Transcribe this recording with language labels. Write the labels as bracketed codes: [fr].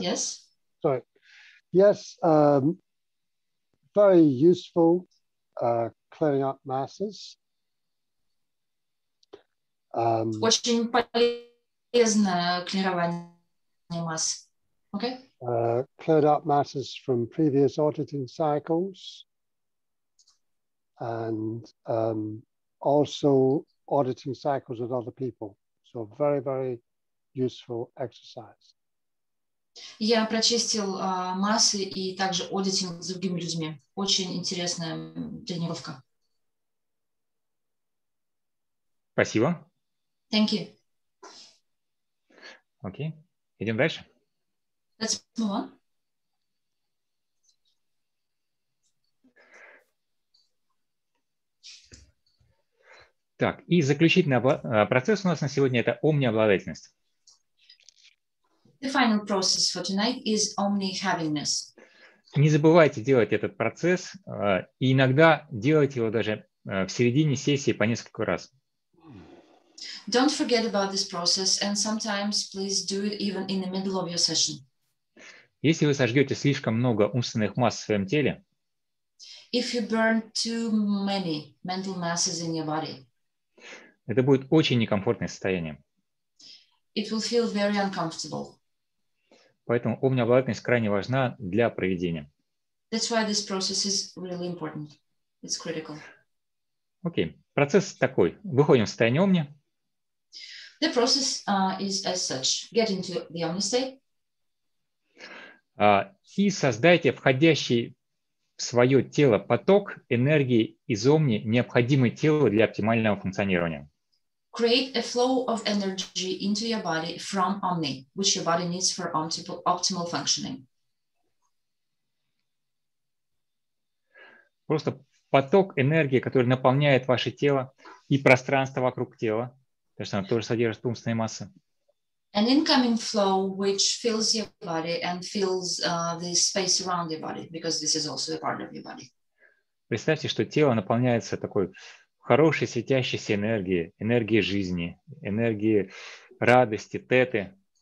[en] Yes. Sorry. Yes, very useful clearing up masses. [ru] Очень полезно клирование масс. [en] Okay. Cleared up masses from previous auditing cycles, and also auditing cycles with other people. So very, very useful exercise. [ru] Я прочистил массы и также аудитинг с другими людьми. Очень интересная тренировка. Спасибо. [en] Thank you. [ru] Окей. Okay. Идем дальше. [en] Let's move on. [ru] Так, и заключительный процесс у нас на сегодня – это омни-обладательность. [en] The final process for tonight is omni-havingness. [ru] Не забывайте делать этот процесс, и иногда делайте его даже в середине сессии по несколько раз. [en] Don't forget about this process, and sometimes please do it even in the middle of your session. [ru] Если вы сожгете слишком много умственных масс в своем теле, [en] if you burn too many mental masses in your body, [ru] это будет очень некомфортное состояние. [en] It will feel very uncomfortable. [ru] Поэтому омни-обладательность крайне важна для проведения. [en] That's why this process is really important. It's critical. [ru] Окей. Процесс такой. Выходим в состояние омни. [en] The process is as such. Get into the omni state. [ru] И создайте входящий в свое тело поток энергии из омни, необходимый телу для оптимального функционирования. [en] Create a flow of energy into your body from Omni, which your body needs for optimal functioning. [ru] Просто поток энергии, который наполняет ваше тело и пространство вокруг тела, потому что оно тоже содержит умственные массы. [en] An incoming flow which fills your body and fills the space around your body, because this is also a part of your body. [ru] Представьте, что тело наполняется такой хорошей светящейся энергии, энергии жизни, энергии радости, теты.